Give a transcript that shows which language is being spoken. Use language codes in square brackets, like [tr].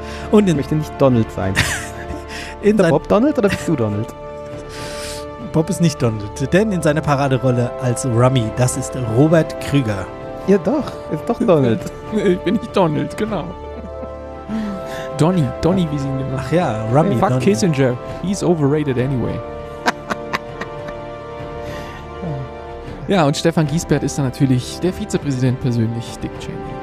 [de] Und ich möchte nicht Donald sein. Ist Bob Donald oder bist du Donald? Bob ist nicht Donald, denn in seiner Paraderolle als Rummy, das ist Robert Krüger. Ja doch, ist doch Donald. Ich bin nicht Donald, genau. Donny, wie sie ihn genannt. Ach ja, Rummy. [en] Hey, fuck Donny. Kissinger, he's overrated anyway. [de] Ja, und Stefan Giesbert ist dann natürlich der Vizepräsident persönlich, Dick Cheney.